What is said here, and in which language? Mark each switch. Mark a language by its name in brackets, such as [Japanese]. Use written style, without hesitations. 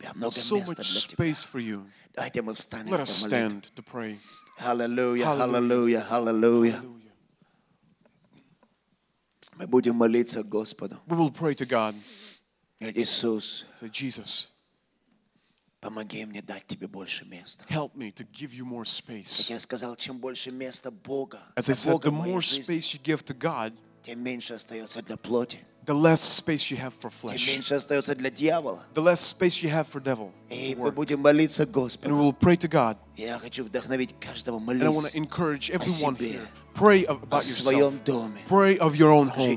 [English] So much space for you. Let us stand to pray. Hallelujah, hallelujah, hallelujah. [Russian] Мы будем молиться Господу. [English] We will pray to God. [Russian] Иисус. [English] Say, Jesus. [Russian] Помоги мне дать тебе больше места. [English] Help me to give you more space. [Russian] Как я сказал, чем больше места Бога, [English] as I said, the more space you give to God, [Russian] тем меньше остается для плоти. [English] The less space you have for flesh. [Russian] Тем меньше остается для дьявола. [English] The less space you have for devil. [Russian] И мы будем молиться Господу. [English] And we will pray to God. [Russian] Я хочу вдохновить каждого молиться. [English] And I want to encourage everyone here. Pray about [Russian] о своем доме. [English] Pray of your own home.